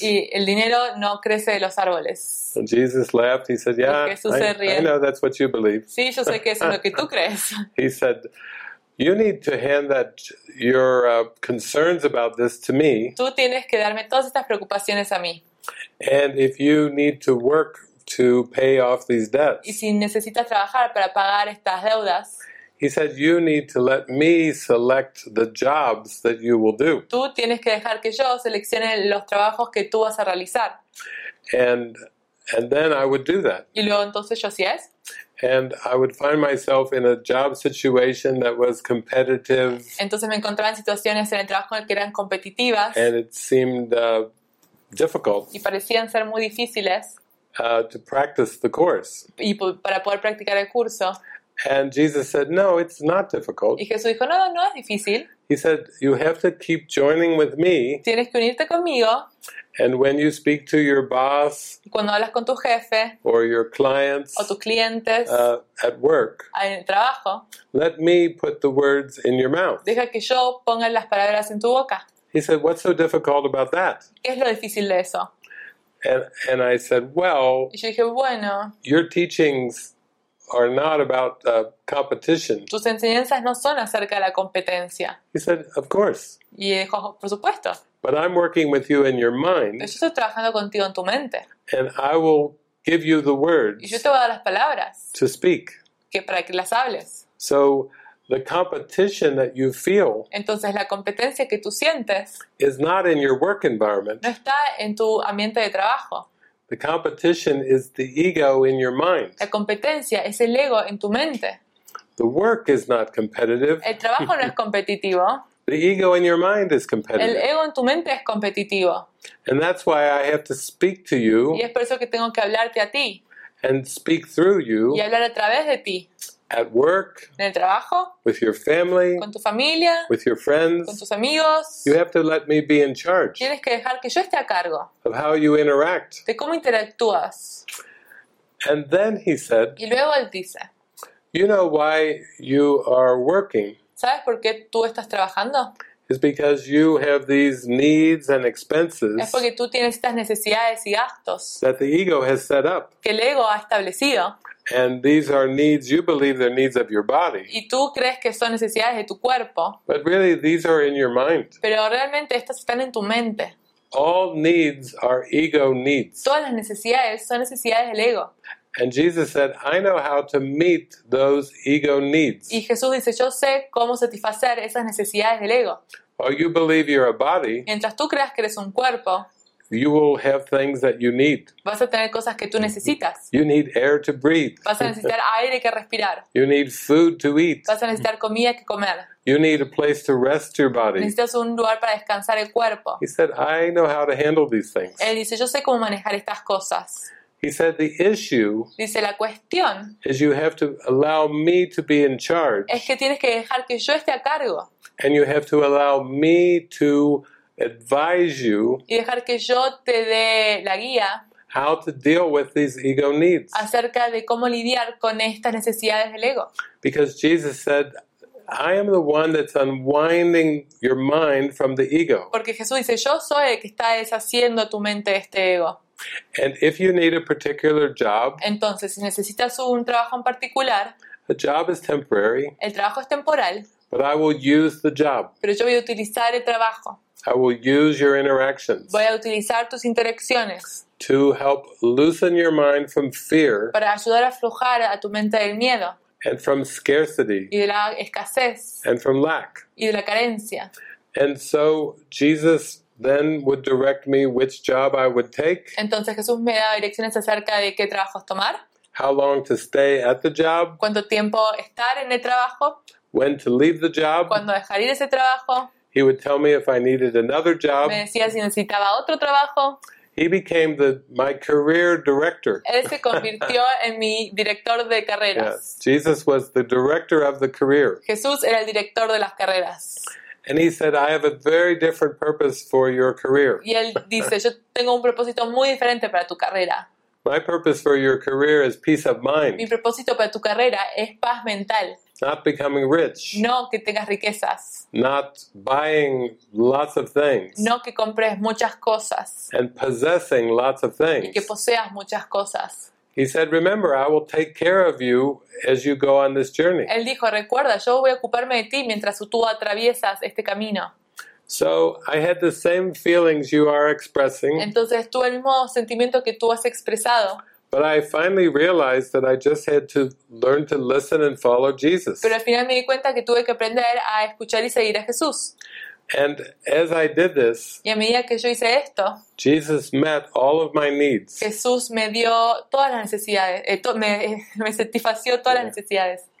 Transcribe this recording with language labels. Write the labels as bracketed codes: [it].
[es] Y el dinero no crece de los árboles. [en] And Jesus laughed. He said, "Yeah, I know that's what you believe." [es] Sí, yo sé que eso es lo que tú crees. [en] He said, "You need to hand that your concerns about this to me." [es] Tú tienes que darme todas estas preocupaciones a mí. [en] And if you need to work to pay off these debts, [es] y si necesitas trabajar para pagar estas deudas. [en] He said, "You need to let me select the jobs that you will do." [es] Tú tienes que dejar que yo seleccione los trabajos que tú vas a realizar. [en] And then I would do that. [es] Y luego entonces yo hacía eso. [en] And I would find myself in a job situation that was competitive. [es] Entonces me encontraba en situaciones en el trabajo que eran competitivas. [en] And it seemed difficult. [es] Y parecían ser muy difíciles. [en] To practice the course. [es] Y para poder practicar el curso. [en] And Jesus said, "No, it's not difficult." [es] Y Jesús dijo, no es difícil. [en] He said, "You have to keep joining with me." [es] Tienes que unirte conmigo. [en] And when you speak to your boss, [es] cuando hablas con tu jefe, [en] or your clients, [es] o tus clientes, [en] at work, [es] en el trabajo, [en] let me put the words in your mouth. [es] Deja que yo ponga las palabras en tu boca. [en] He said, "What's so difficult about that?" [es] ¿Qué es lo difícil de eso? [en] And I said, well, your teachings are not about competition. [es] Tus enseñanzas no son acerca de la competencia. [en] He said, of course. [es] Y dijo, por supuesto. [en] But I'm working with you in your mind. [es] Yo estoy trabajando contigo en tu mente. [en] And I will give you the words. [es] Y yo te voy a dar las palabras. [en] To speak. [es] Que para que las hables. [en] So the competition that you feel. [es] Entonces la competencia que tú sientes. [en] Is not in your work environment. [es] No está en tu ambiente de trabajo. [en] The competition is the ego in your mind. [es] La competencia es el ego en tu mente. [en] The work is not competitive. [es] El trabajo no es competitivo. [en] The ego in your mind is competitive. [es] El ego en tu mente es competitivo. [en] And that's why I have to speak to you. [es] Y es por eso que tengo que hablarte a ti. [en] And speak through you. [es] Y hablar a través de ti. [en] At work. [es] En el trabajo. [en] With your family. [es] Con tu familia. [en] With your friends. [es] Con tus amigos. [en] You have to let me be in charge. [es] Tienes que dejar que yo esté a cargo. [en] Of how you interact. [es] De cómo interactúas. [en] And then he said. [es] Y luego él dice. [en] You know why you are working. [es] ¿Sabes por qué tú estás trabajando? [en] It's because you have these needs and expenses. [es] Es porque tú tienes estas necesidades y gastos. [en] That the ego has set up. [es] Que el ego ha establecido. [en] And these are needs, you believe they're needs of your body. [es] Y tú crees que son necesidades de tu cuerpo. [en] But really these are in your mind. [es] Pero realmente estas están en tu mente. [en] All needs are ego needs. [es] Todas las necesidades son necesidades del ego. [en] And Jesus said, I know how to meet those ego needs. [es] Y Jesús dice, yo sé cómo satisfacer esas necesidades del ego. [en] Or you believe you're a body. [es] Mientras tú creas que eres un cuerpo. [en] You will have things that you need. [es] Vas a tener cosas que tú necesitas. [en] You need air to breathe. [es] Vas a necesitar aire que respirar. [en] You need food to eat. [es] Vas a necesitar comida que comer. [en] You need a place to rest your body. [es] Necesitas un lugar para descansar el cuerpo. [en] He said, I know how to handle these things. [es] Él dice, yo sé cómo manejar estas cosas. [en] He said the issue. [es] Dice la cuestión. [en] Is you have to allow me to be in charge. [es] Es que tienes que dejar que yo esté a cargo. [en] And you have to allow me to advise you. [es] Y dejar que yo te dé la guía. [en] How to deal with these ego needs. [es] Acerca de cómo lidiar con estas necesidades del ego. [en] Because Jesus said, I am the one that's unwinding your mind from the ego. [es] Porque Jesús dice, yo soy el que está deshaciendo tu mente de este ego. [en] And if you need a particular job, [es] entonces si necesitas un trabajo en particular, [en] the job is temporary. [es] El trabajo es temporal. [en] But I will use the job. [es] Pero yo voy a utilizar el trabajo. [en] I will use your interactions. [es] Voy a utilizar tus interacciones. [en] To help loosen your mind from fear. [es] Para ayudar a aflojar a tu mente del miedo. [en] And from scarcity. [es] Y de la escasez. [en] And from lack. [es] Y de la carencia. [en] And so Jesus then would direct me which job I would take. [es] Entonces Jesús me da direcciones acerca de qué trabajos tomar. [en] How long to stay at the job. [es] Cuánto tiempo estar en el trabajo. [en] When to leave the job. [es] Cuándo dejar ir ese trabajo. [en] He would tell me if I needed another job. [es] Me decía si necesitaba otro trabajo. [en] He became my career director. [es] Él se convirtió en mi director de carreras. [en] Yes. Jesus was the director of the career. [es] Jesús era el director de las carreras. [en] And he said, I have a very different purpose for your career. [es] Y él dice, yo tengo un propósito muy diferente para tu carrera. [en] My purpose for your career is peace of mind. [es] Mi propósito para tu carrera es paz mental. [en] Not becoming rich. [es] No que tengas riquezas. [en] Not buying lots of things. [es] No que compres muchas cosas. [en] And possessing lots of things. [es] Y que poseas muchas cosas. [en] He said, remember, I will take care of you as you go on this journey. [es] Él dijo, recuerda, yo voy a ocuparme de ti mientras tú atraviesas este camino. [en] So, I had the same feelings you are expressing. [es] Entonces, tuve el mismo sentimiento que tú has expresado. [en] But I finally realized that I just had to learn to listen and follow Jesus. [es] Pero al final me di cuenta que tuve que aprender a escuchar y seguir a Jesús. [en] And as I did this, [es] y a medida que yo hice esto, [en] Jesus met all of my needs. [es] Jesús me dio todas las necesidades, me satisfació todas las necesidades.